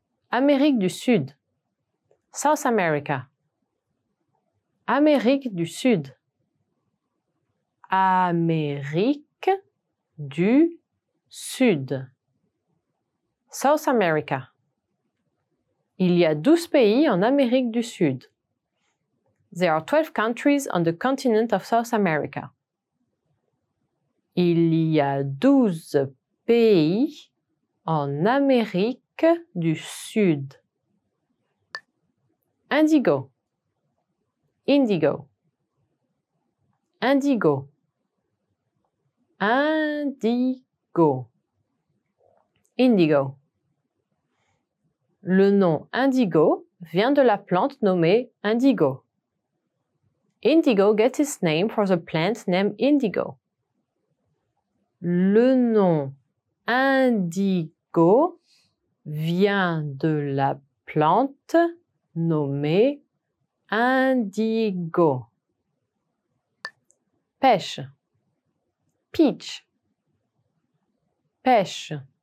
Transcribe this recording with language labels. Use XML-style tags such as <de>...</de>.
<fr>Amérique du Sud. South America. Amérique du Sud. Amérique du Sud.</fr> <en>South America.</en> <fr>Il y a 12 pays en Amérique du Sud.</fr> <en>There are 12 countries on the continent of South America.</en> <fr>Il y a 12 pays en Amérique du Sud. Indigo. Indigo. Indigo. Indigo. Indigo. Le nom indigo vient de la plante nommée indigo.</fr> <en>Indigo gets its name from the plant named indigo.</en> <fr>Le nom indigo vient de la plante nommée indigo. Pêche. Peach. Pêche.</fr>